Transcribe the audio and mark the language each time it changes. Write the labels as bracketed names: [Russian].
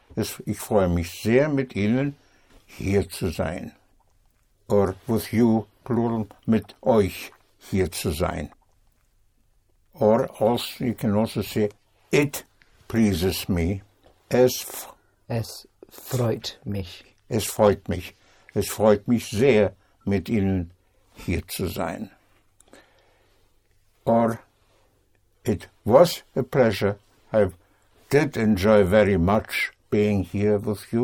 [German] Ich freue mich sehr mit Ihnen hier zu sein. [English] Or with you, plural, [German] mit euch hier zu sein. [English] Or also, you can also say, it pleases me. [German] Es freut mich. Es freut mich. Es freut mich sehr, mit Ihnen hier zu sein. [English] Or, it was a pleasure. I did enjoy very much being here with you.